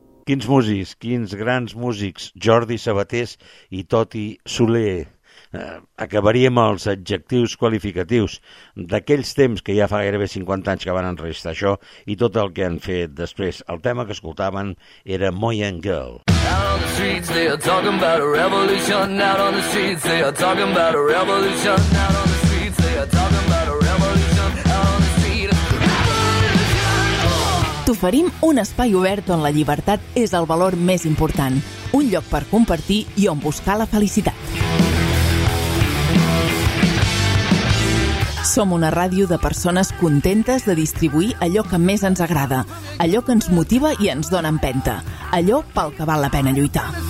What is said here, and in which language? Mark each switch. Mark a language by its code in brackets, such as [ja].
[ca] Quins músics, quins grans músics, Jordi Sabatés i Toti Soler. Acabaríem els adjectius qualificatius d'aquells temps que ja fa gairebé 50 anys que van enregistrar això i tot el que han fet després. El tema que escoltaven era Moyen Girl. [en] On the streets they are talking about a revolution. Out on the streets they are talking about a revolution. Out on the streets they are talking about a revolution. Out on the street. [ca] T'oferim un espai obert on la llibertat és el valor més important, un lloc per compartir i on buscar la felicitat. Som una ràdio de persones contentes de distribuir allò que més ens agrada, allò que ens motiva i ens dona empenta, allò pel que val la pena lluitar.